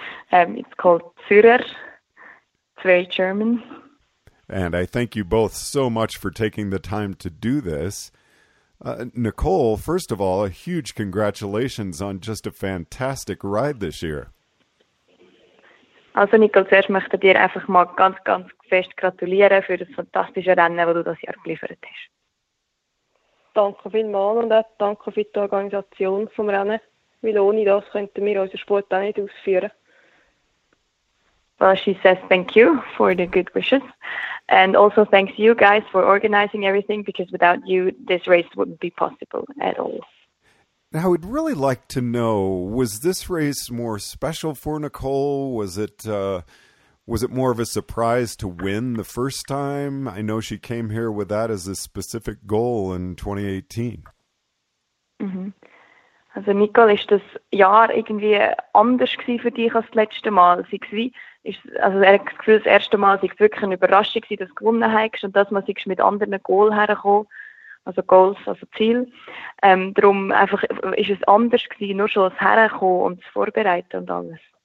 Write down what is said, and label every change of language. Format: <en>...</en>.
<en>It's called Zürer. It's very German. And I thank you both so much for taking the time to do this. Nicole, first of all, a huge congratulations on just a fantastic ride this year.</en> <de>Also, Nicole, zuerst möchte dir einfach mal ganz, ganz fest gratulieren für das fantastische Rennen, das du das Jahr geliefert hast. Danke vielmals und auch danke für die Organisation vom Rennen, weil ohne das könnten wir unseren Sport auch nicht ausführen.</de> <en>Well, she says thank you for the good wishes. And also thanks you guys for organizing everything, because without you, this race wouldn't be possible at all. Now, I would really like to know, was this race more special for Nicole? Was it more of a surprise to win the first time? I know she came here with that as a specific goal in 2018. Mm-hmm.</en> <de>Also, Nicole, ist das Jahr irgendwie anders gewesen für dich als das letzte Mal? Also er hat das Gefühl, das erste Mal war es wirklich eine Überraschung, dass du gewonnen hast. Und das Mal war es mit anderen Goals hergekommen. Also Goals, also Ziel. Darum einfach, ist es anders gewesen, nur schon das Herkommen und das Vorbereiten und alles.</de>